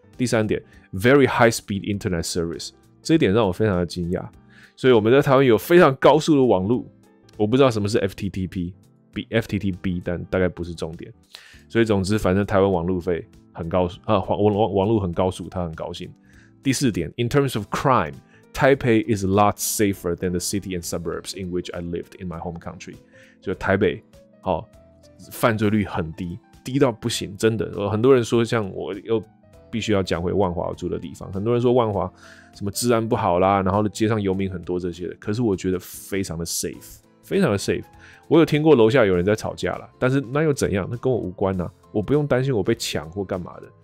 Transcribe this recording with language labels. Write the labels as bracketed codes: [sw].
[zh] 第三点 ， [en] very high speed internet service， [zh] 这一点让我非常的惊讶。所以我们在台湾有非常高速的网路，我不知道什么是 FTTP， 比 FTTB， 但大概不是重点。所以总之，反正台湾网路费很高速啊，网路很高速，他很高兴。 [en] 第四点 ，In terms of crime， Taipei is a lot safer than the city and suburbs in which I lived in my home country。 [zh] 就台北，好、哦，犯罪率很低，低到不行，真的。很多人说，像我又必须要讲回万华住的地方，很多人说万华。什么治安不好啦，然后街上游民很多这些的，可是我觉得非常的 safe， 非常的 safe。我有听过楼下有人在吵架啦，但是那又怎样？那跟我无关啊，我不用担心我被抢或干嘛的。